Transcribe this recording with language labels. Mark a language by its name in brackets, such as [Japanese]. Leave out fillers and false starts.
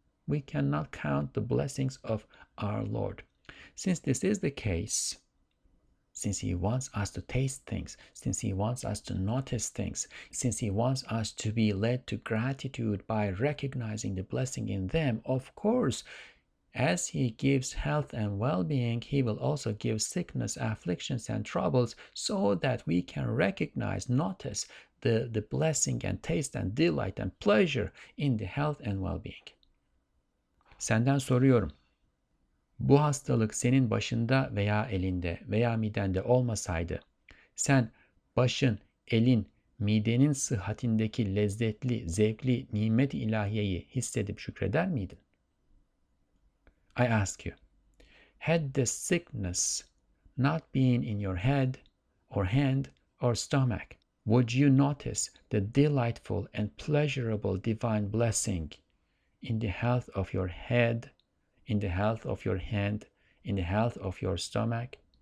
[English] We cannot count the blessings of our Lord. Since this is the case, since he wants us to taste things, since he wants us to notice things, since he wants us to be led to gratitude by recognizing the blessing in them, of course, as he gives health and well-being, he will also give sickness, afflictions, and troubles, so that we can recognize, notice the blessing and taste and delight and pleasure in the health and well-being. [Turkish] Senden soruyorum. Bu hastalık senin başında veya elinde veya midende olmasaydı, sen başın, elin, midenin sıhhatindeki lezzetli, zevkli nimet-i ilahiyeyi hissedip şükreder miydin? [English] I ask you, had the sickness not been in your head or hand or stomach, would you notice the delightful and pleasurable divine blessing in the health of your head, in the health of your hand, in the health of your stomach?